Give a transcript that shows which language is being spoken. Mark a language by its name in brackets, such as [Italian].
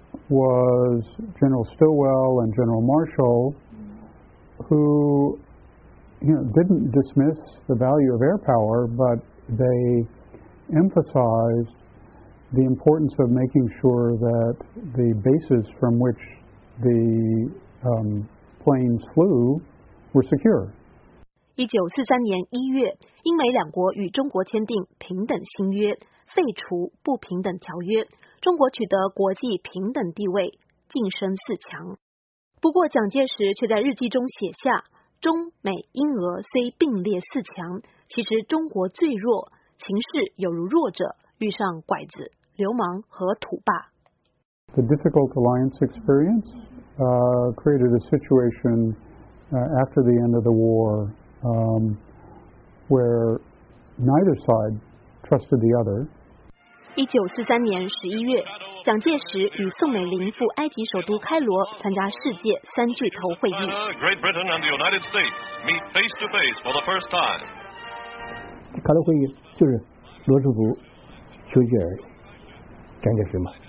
[English] Was General Stilwell and General Marshall, who, you know, didn't dismiss the value of air power, but they emphasized the importance of making sure that the bases from which the planes flew were secure. [Chinese] 1943年1月，英美两国与中国签订平等新约，废除不平等条约。中国取得国际平等地位，晋升四强。不过蒋介石却在日记中写下，中美英俄虽并列四强，其实中国最弱，情势有如弱者遇上拐子、流氓和土霸。 [English] The difficult alliance experience created a situation after the end of the war where neither side trusted the other。 [Chinese] 1943年11月，蒋介石与宋美龄赴埃及首都开罗参加世界三巨头会议。 [English] Great Britain and the United States meet face to face for the first time。 [Chinese] 开罗会议就是罗斯福、丘吉尔、蒋介石嘛。